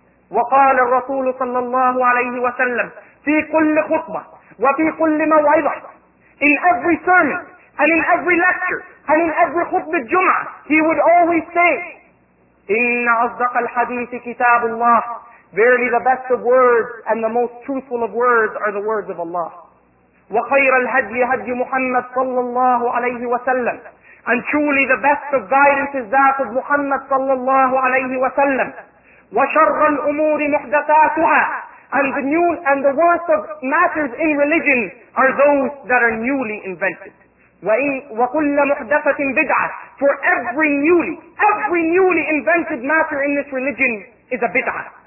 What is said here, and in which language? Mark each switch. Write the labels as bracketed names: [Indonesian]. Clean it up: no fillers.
[Arabic] وقال الرسول صلى الله عليه وسلم في كل خطبة وفي كل موعظة [English] In every sermon and in every lecture and in every [Arabic] خطبة الجمعة [English] he would always say [Arabic] إِنَّ أَصْدَقَ الْحَدِيثِ كِتَابُ اللَّهِ [English] Verily the best of words and the most truthful of words are the words of Allah. [Arabic] وَخَيْرَ الْهَدْيِ هَدْيُ مُحَمَّدْ صَلَّى اللَّهُ عَلَيْهِ وَسَلَّمْ [English] And truly the best of guidance is that of Muhammad صلى الله عليه وسلم. [Arabic] وَشَرَّ الْأُمُورِ مُحْدَثَاتُهَا [English] And the worst of matters in religion are those that are newly invented. [Arabic] وَكُلَّ مُحْدَثَةٍ بِدْعَةٍ [English] For every newly invented matter in this religion is a bid'ah.